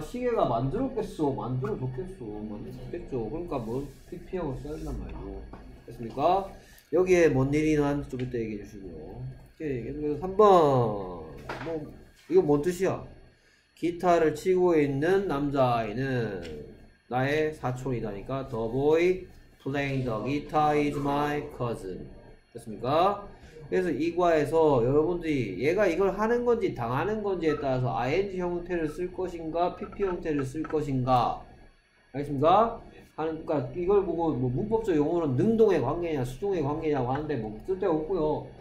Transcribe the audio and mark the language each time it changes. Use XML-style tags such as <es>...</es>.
<ko>시계가 만들었겠어. 만들어졌겠어. 만들었겠죠. 그러니까 뭐, PP형을 써야 된단 말이죠. 됐습니까? 여기에 뭔 일이 난 좀 이따 얘기해 주시고요. 오케이. 3번. 뭐, 이거 뭔 뜻이야? 기타를 치고 있는 남자아이는 나의 사촌이다니까.</ko> <en>The boy playing the guitar is my cousin.</en> <ko>됐습니까? 그래서 이 과에서 여러분들이 얘가 이걸 하는 건지 당하는 건지에 따라서 ing 형태를 쓸 것인가, pp 형태를 쓸 것인가. 알겠습니까? 하는, 그러니까 이걸 보고 뭐 문법적 용어는 능동의 관계냐, 수동의 관계냐고 하는데 뭐 쓸데없고요.</ko>